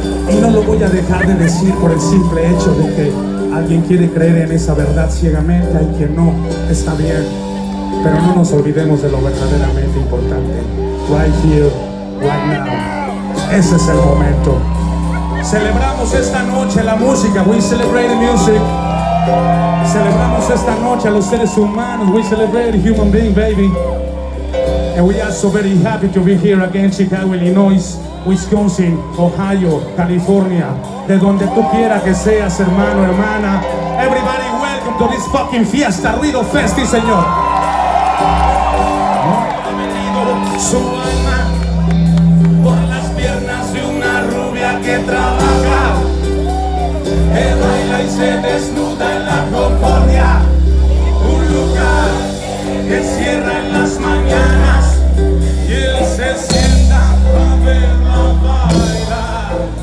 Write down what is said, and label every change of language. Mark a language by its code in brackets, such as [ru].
[es] Y no lo voy a dejar de decir por el simple hecho de que alguien quiere creer en esa verdad ciegamente, hay quien no, está bien. Pero no nos olvidemos de lo verdaderamente importante. [en] Right here, right now. [es] Ese es el momento. Celebramos esta noche la música. [en] We celebrate the music. [es] Celebramos esta noche a los seres humanos. [en] We celebrate the human being, baby. And we are so very happy to be here again, Chicago, Illinois, Wisconsin, Ohio, California. [es] De donde tú quieras que seas, hermano, hermana. [en] Everybody, welcome to this fucking fiesta, [es] Ruido Festi, señor. Bienvenido su alma por las piernas de una rubia que trabaja, que baila y se desnuda en la Concordia, un lugar que cierra en las mañanas y él se sienta para verla bailar.